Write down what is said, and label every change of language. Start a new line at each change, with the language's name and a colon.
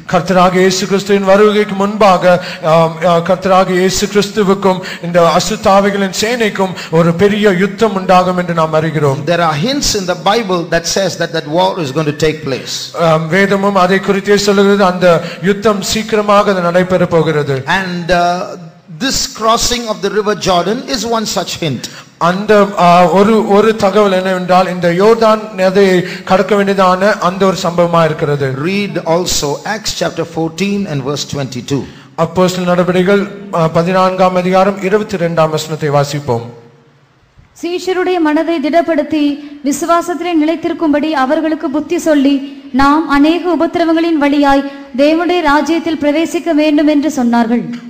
Tamil: கர்த்தராகிய இயேசு கிறிஸ்துவின் வருகைக்கு முன்பாக கர்த்தராகிய இயேசு கிறிஸ்துவுக்கும் இந்த அசுத்தாவிகளின் சேனைக்கும் ஒரு பெரிய யுத்தம் உண்டாகும் என்று நாம் அறிகிறோம்.
English: There are hints in the Bible that says that that war is going to take place.
Tamil: வேதமும் அதை குறித்தே சொல்கிறது, அந்த யுத்தம் சீக்கிரமாக நடைபெற போகிறது.
English: And this crossing of the river Jordan is one such hint.
Tamil: அந்த ஒரு ஒரு தகவல் என்னவென்றால் இந்த யோர்தான் நதியை கடக்க வேண்டியதான அந்த ஒரு சம்பவமா இருக்கிறது.
English: Read also Acts chapter 14 and verse 22.
Tamil: அப்போஸ்தல நடவடிக்கைகள் 14 அதிகாரம் 22 வசனத்தை வாசிப்போம். சீஷருடைய மனதை திடப்படுத்தி விசுவாசத்திலே நிலைத்திருக்கும்படி அவர்களுக்கு புத்தி சொல்லி நாம் அநேக உபத்திரவங்களின் வழியாய் தேவனுடைய ராஜ்யத்தில் பிரவேசிக்க வேண்டும் என்று சொன்னார்கள்.